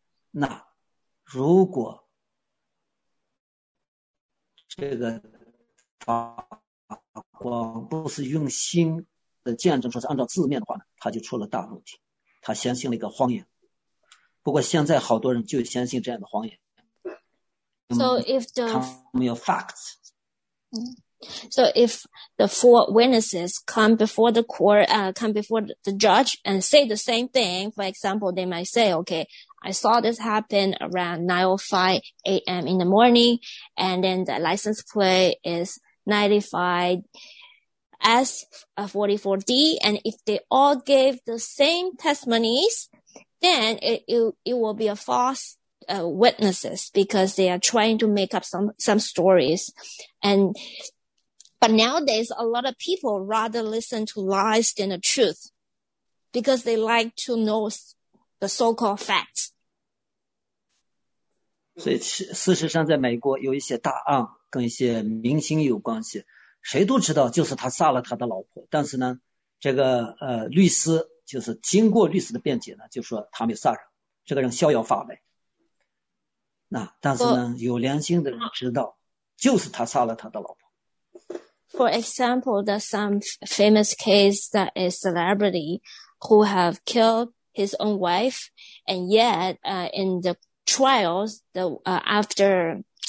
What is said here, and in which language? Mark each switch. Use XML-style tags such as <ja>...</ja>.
<zh>那如果这个法官不是用心的见证说是按照字面的话呢他就出了大问题。他相信了一个谎言。不过现在好多人就相信这样的谎言。</zh> <en>So if the,</en> <zh>他没有 facts。</zh> <en>So if the four witnesses come before the court, come before the judge and say the same thing, for example, they might say, okay, I saw this happen around 9:05 a.m. in the morning, and then the license plate is 95S44D, and if they all gave the same testimonies, then it will be a false witnesses because they are trying to make up some stories. But nowadays, a lot of people rather listen to lies than the truth because they like to know the so-called facts.</en> <zh>所以事实上在美国有一些大案跟一些明星有关系，谁都知道就是他杀了他的老婆，但是呢，这个律师就是经过律师的辩解呢，就说他没有杀人，这个人逍遥法外。那但是呢，有良心的人知道就是他杀了他的老婆。</zh> <en>For example, there's some famous case that a celebrity who have killed his own wife, and yet, in the trials, after</en>